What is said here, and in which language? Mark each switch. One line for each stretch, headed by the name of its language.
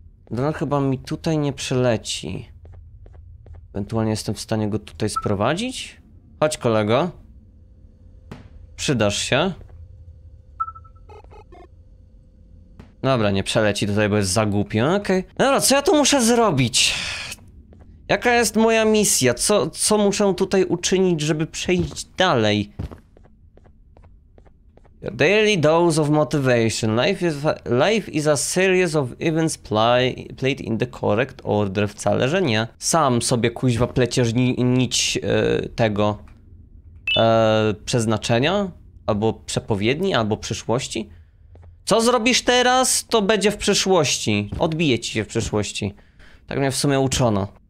Polish: Dron chyba mi tutaj nie przyleci. Ewentualnie jestem w stanie go tutaj sprowadzić? Chodź, kolego. Przydasz się. Dobra, nie przeleci tutaj, bo jest za głupi. Okej. Dobra, co ja tu muszę zrobić? Jaka jest moja misja? Co muszę tutaj uczynić, żeby przejść dalej?
English: Your daily dose of motivation. Life is a series of events played in the correct order.
Polish: Wcale, że nie. Sam sobie kuźwa pleciesz nić tego przeznaczenia, albo przepowiedni, albo przyszłości. Co zrobisz teraz, to będzie w przyszłości. Odbije ci się w przyszłości. Tak mnie w sumie uczono.